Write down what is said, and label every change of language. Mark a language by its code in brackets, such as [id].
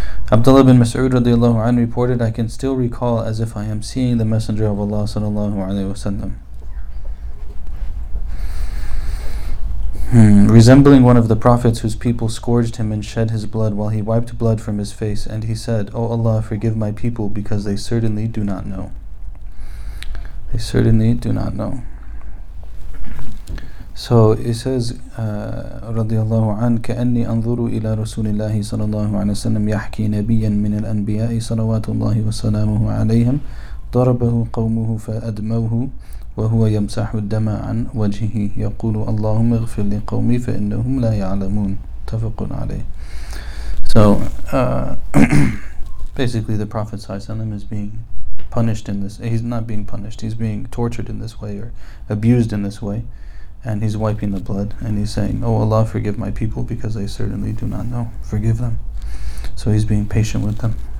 [en] Abdullah bin Mas'ud radiallahu anhu reported, I can still recall as if I am seeing the Messenger of Allah sallallahu alayhi wa sallam. Resembling one of the prophets whose people scourged him and shed his blood while he wiped blood from his face, and he said, O Allah, forgive my people because they certainly do not know. They certainly do not know. So it says, radiallahu an, [ar] كأني أنظر إلى رسول الله صلى الله عليه وسلم يحكي نبيا من الأنبياء صلوات الله وسلامه عليهم ضربه قومه فأدموه وهو يمسح الدم عن وجهه يقول اللهم اغفر لقومي فإنهم لا يعلمون متفق عليه. [en] So basically the Prophet [ar] صلى الله عليه وسلم [en] is being punished in this, he's not being punished, he's being tortured in this way or abused in this way. And he's wiping the blood and he's saying, oh Allah, forgive my people because they certainly do not know. Forgive them. So he's being patient with them.